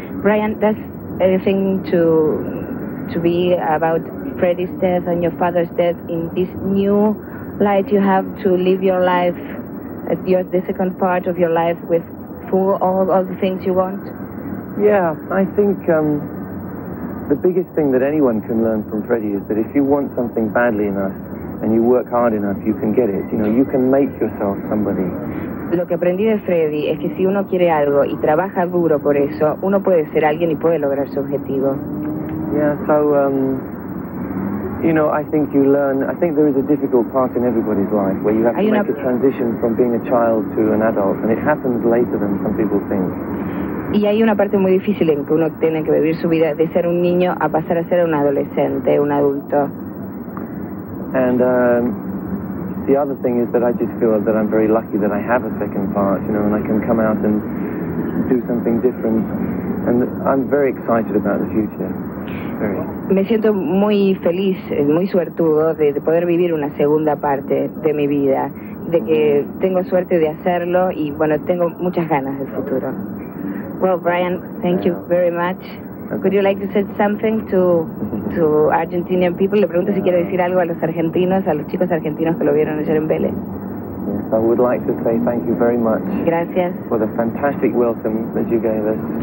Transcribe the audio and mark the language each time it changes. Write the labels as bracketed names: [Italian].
[English] Brian, does anything to be about Freddie's death and your father's death in this new light you have to live your life, the second part of your life with full all the things you want? Yeah, I think the biggest thing that anyone can learn from Freddie is that if you want something badly enough and you work hard enough, you can get it. You know, you can make yourself somebody. [Spanish] Lo que aprendí de Freddie es que si uno quiere algo y trabaja duro por eso, uno puede ser alguien y puede lograr su objetivo. [English] Yeah, so, you know, I think you learn, I think there is a difficult part in everybody's life where you have to make a transition from being a child to an adult, and it happens later than some people think. [Spanish] Y hay una parte muy difícil en que uno tiene que vivir su vida de ser un niño a pasar a ser un adolescente, un adulto. [English] And the other thing is that I just feel that I'm very lucky that I have a second part, you know, and I can come out and do something different. And I'm very excited about the future. [Spanish] Me siento muy feliz, muy suertudo de poder vivir una segunda parte de mi vida, de que tengo suerte de hacerlo y bueno, tengo muchas ganas del futuro. [English] Well, Brian, thank you very much. Would you like to say something to Argentinian people? [Spanish] Le pregunto si quiere decir algo a los argentinos, a los chicos argentinos que lo vieron ayer en Vélez. [English] I would like to say thank you very much. [Spanish] Gracias. [English] For the fantastic welcome that you gave us.